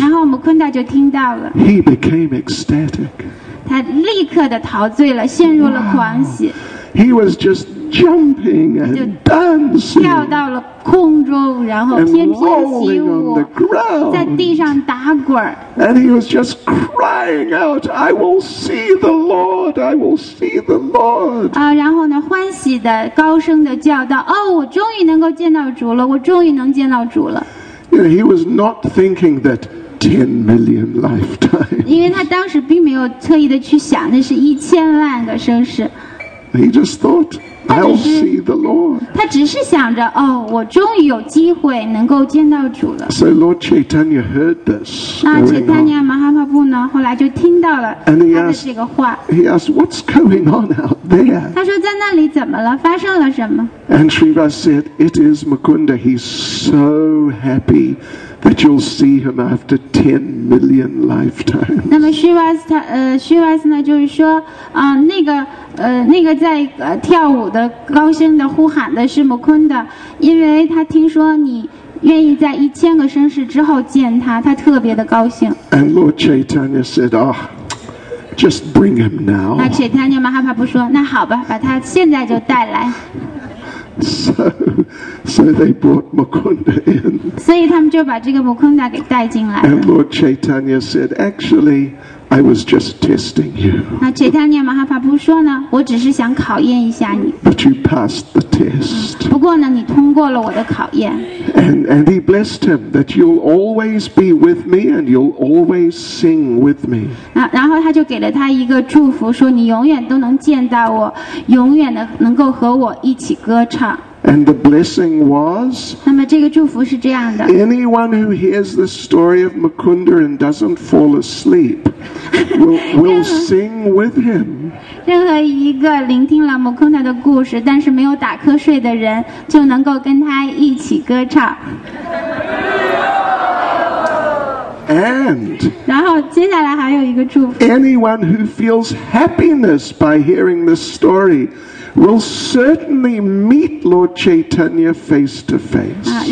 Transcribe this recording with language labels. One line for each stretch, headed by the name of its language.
Chinese: 然后 Mukunda 就听到了。
English: He became ecstatic.
Chinese: 他立刻的陶醉了，陷入了狂喜。
English: He was just jumping and dancing.
Chinese: 跳到了空中，然后翩翩起舞，在地上打滚。
English: And he was just crying out, "I will see the Lord! I will see the Lord!"
Chinese: 啊，然后呢，欢喜的高声的叫道，哦，我终于能够见到主了，我终于能见到主了。
English: You know, he was not thinking that 10 million lifetimes.
Chinese: 因为他当时并没有特意的去想，那是一千万个生世。
English: He just thought, "I'll see the Lord."
Chinese: 他只是想着，哦，我终于有机会能够见到主了。
English: So Lord Chaitanya heard this.
Chinese: 那 Chaitanya Mahaprabhu 呢，后来就听到了他的这个话。
English: He asked, "What's going on out there?"
Chinese: 他说在那里怎么了？发生了什么
English: ？And Srivas said, "It is Mukunda. He's so happy that you'll see him after 10 million lifetimes."
Chinese: 那么 Srivas 他Srivas 呢，就是说，那个在跳舞的高声的呼喊的是 Mukunda， 因为他听说你愿意在一千个生世之后见他，他特别的高兴。
English: And Lord Chaitanya said, "Oh, just bring him now."
Chinese: 那 Chaitanya Mahaprabhu 说，那好吧，把他现在就带来。
English: So they brought Mukunda in.
Chinese: 所以他们就把这个 Mukunda 给带进来了。
English: And Lord Chaitanya said, "Actually, I was just testing you."
Chinese: 那 Chaitanya Mahaprabhu 说呢，我只是想考验一下你。
English: But you passed the test.
Chinese: 不过呢，你通过了我的考验。
English: And he blessed him that you'll always be with me and you'll always sing with me.
Chinese: 然后他就给了他一个祝福，说你永远都能见到我，永远的能够和我一起歌唱。
English: And the blessing was.
Chinese: 那么这个祝福是这样的。
English: Anyone who hears the story of Mukunda and doesn't fall asleep will sing with him.
Chinese: 任何一个聆听了 Mukunda 的故事，但是没有打瞌睡的人，就能够跟他一起歌唱。
English: And
Chinese: 然后接下来还有一个祝福。
English: Anyone who feels happiness by hearing this story will certainly meet Lord Chaitanya face to face.